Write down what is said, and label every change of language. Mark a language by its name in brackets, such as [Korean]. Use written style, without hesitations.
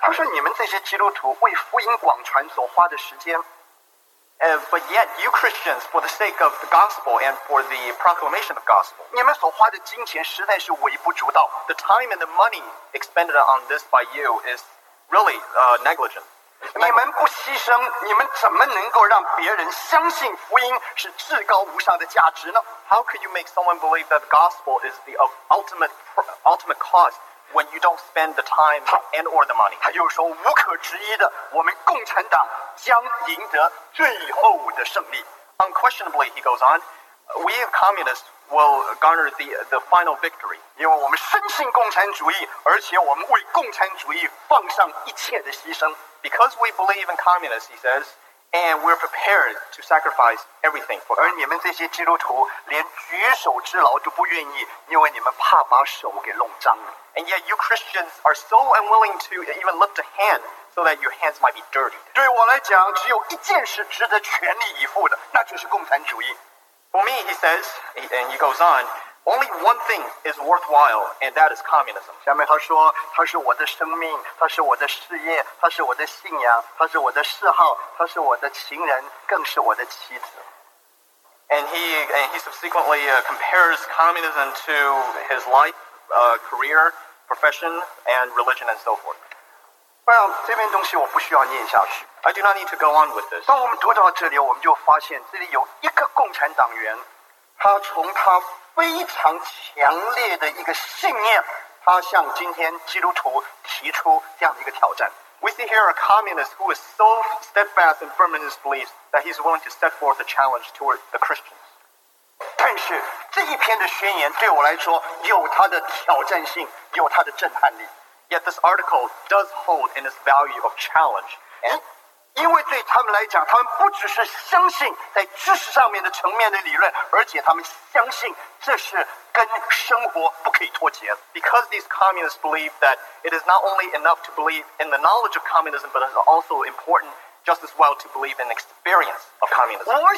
[Chinese] 他说：“你们这些基督徒为福音广传所花的时间。” [English] But yet, you Christians, for the sake of the gospel and for the proclamation of gospel, [Chinese] 你们所花的金钱实在是微不足道。 [English] The time and the money expended on this by you is really negligent. [Chinese] 你们不牺牲，你们怎么能够让别人相信福音是至高无上的价值呢 [English] ？How could you make someone believe that the gospel is the ultimate cause when you don't spend the time and or the money？ [Chinese] 他又说，无可置疑的，我们共产党将赢得最后的胜利。 [English] Unquestionably, he goes on, we communists will garner the final victory， [Chinese] 因为我们深信共产主义，而且我们为共产主义放上一切的牺牲。 [English] Because we believe in communists, he says, and we're prepared to sacrifice everything for them. [Chinese] 而你们这些基督徒连举手之劳都不愿意，因为你们怕把手给弄脏了。 [English] And yet you Christians are so unwilling to even lift a hand so that your hands might be dirty. [Chinese] 对我来讲，只有一件事值得全力以赴的，那就是共产主义。 [English] For me, he says, and he goes on, only one thing is worthwhile, and that is communism. [Chinese] 下面他说，他是我的生命，他是我的事业，他是我的信仰，他是我的嗜好，他是我的情人，更是我的妻子。 [English] And he subsequently compares communism to his life, career, profession, and religion, and so forth. Well, [Chinese] 这篇东西我不需要念下去。 [English] I do not need to go on with this. [Chinese] 当我们读到这里，我们就发现这里有一个共产党员，他从他非常强烈的一个信念，他向今天基督徒提出这样的一个挑战。 [English] We see here a communist who is so steadfast and firm in his beliefs that he's willing to set forth a challenge toward the Christians. [Chinese] 但是这一篇的宣言对我来说有它的挑战性，有它的震撼力。 [English] Yet this article does hold in its value of challenge. [Chinese] 因为对他们来讲，他们不只是相信在知识上面的层面的理论，而且他们相信这是跟生活不可以脱节。 [English] Because these communists believe that it is not only enough to believe in the knowledge of communism, but it's also important just as well to believe in experience of communism.